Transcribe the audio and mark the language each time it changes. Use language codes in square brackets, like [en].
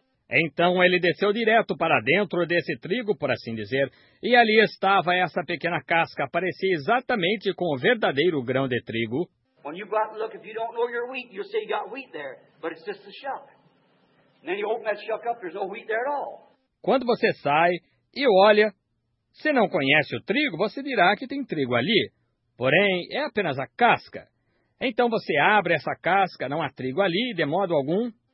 [pt] Então ele desceu direto para dentro desse trigo, por assim dizer, e ali estava essa pequena casca, parecia exatamente com o verdadeiro grão de trigo. [en] When you go out and look, if you don't know your wheat, you'll say you got wheat there, but it's just a shuck. And then you open that shuck up, there's no wheat there at all. [pt] Quando você sai e olha, se não conhece o trigo, você dirá que tem trigo ali. Porém, é apenas a casca. Então você abre essa casca, não há trigo ali, de modo algum.